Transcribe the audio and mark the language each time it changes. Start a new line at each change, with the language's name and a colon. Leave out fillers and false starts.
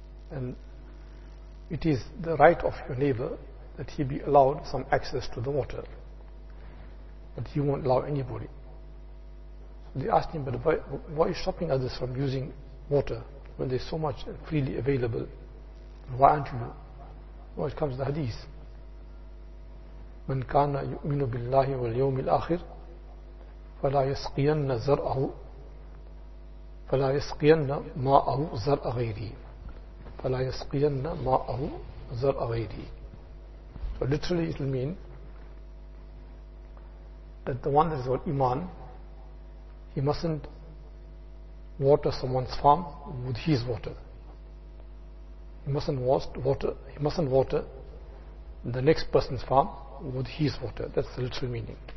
English: And it is the right of your neighbor that he be allowed some access to the water. But he won't allow anybody. So they asked him, but why are you stopping others from using water when there's so much freely available? Why aren't you? Well, it comes to the hadith.
Arabic: من كان يؤمن بالله واليوم الآخر فلا يسقين زرعه فلا يسقين ماءه زرع غيره فلا يسقين ماءه زرع غيره.
English: So literally it will mean that the one that is called Iman, he mustn't water someone's farm with his water. He mustn't water the next person's farm with his water. That's the literal meaning.